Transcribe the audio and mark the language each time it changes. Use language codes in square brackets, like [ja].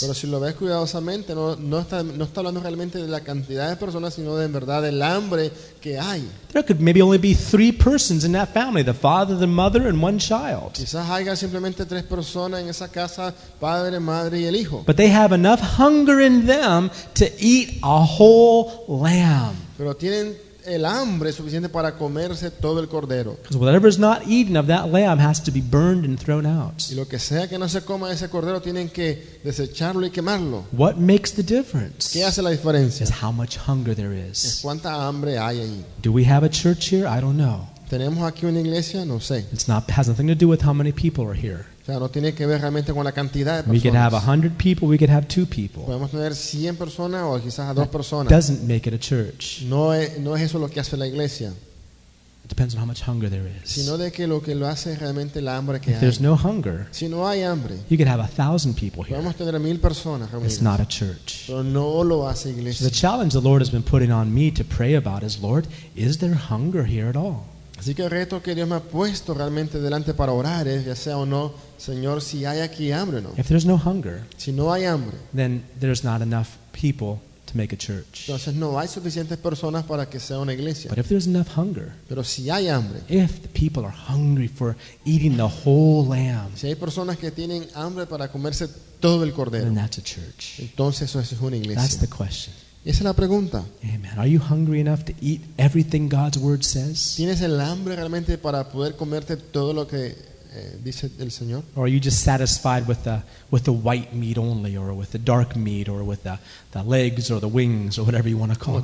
[es] Pero si lo ves cuidadosamente, no está hablando realmente de la cantidad de personas, sino de en verdad del hambre que hay. [en] There could maybe only be three persons in that family: the father, the mother, and one child. [es] Quizás haya simplemente tres personas en esa casa: padre, madre y el hijo. [en] But they have enough hunger in them to eat a whole lamb. [es] Pero tienen el hambre suficiente para comerse todo el cordero. [en] Because whatever is not eaten of that lamb has to be burned and thrown out. [es] Y lo que sea que no se coma ese cordero tienen que desecharlo y quemarlo. [en] What makes the difference? [es] ¿Qué hace la diferencia? [en] Is how much hunger there is. [es] Es cuánta hambre hay ahí. [en] Do we have a church here? I don't know. [es] ¿Tenemos aquí una iglesia? No sé. [en] It's not, has nothing to do with how many people are here. [es] O sea, no tiene que ver realmente con la cantidad de personas. [en] We could have 100 people, we could have 2 people. [es] Podemos tener 100 personas o quizás a 2 personas. [en] Doesn't make it a church. [es] No es eso lo que hace la iglesia. [en] It depends on how much hunger there is. [es] Sino de que lo que lo hace realmente la hambre que [en] hay. If there's no hunger. [es] Si no hay hambre. [en] You could have 1,000 people here. [es] Podemos tener 1,000 personas reunidas. [en] It's not a church. [es] Pero no lo hace iglesia. [en] So the challenge the Lord has been putting on me to pray about is, Lord, is there hunger here at all? [es] Así que el reto que Dios me ha puesto realmente delante para orar es, ya sea o no, Señor, si hay aquí hambre o no. [en] If there's no hunger, [es] si no hay hambre, [en] then there's not enough people to make a church. [es] Entonces no hay suficientes personas para que sea una iglesia. [en] But if there's enough hunger, [es] pero si hay hambre, [en] if the people are hungry for eating the whole lamb, [es] si hay personas que tienen hambre para comerse todo el cordero, [en] then that's a church. [es] Entonces eso es una iglesia. [en] That's the question. [es] Esa es la pregunta. [en] Amen. Are you hungry enough to eat everything God's word says? [es] ¿Tienes el hambre realmente para poder comerte todo lo que dice el Señor? [en] Or are you just satisfied with the white meat only, or with the dark meat, or with the legs or the wings or whatever you want to call it?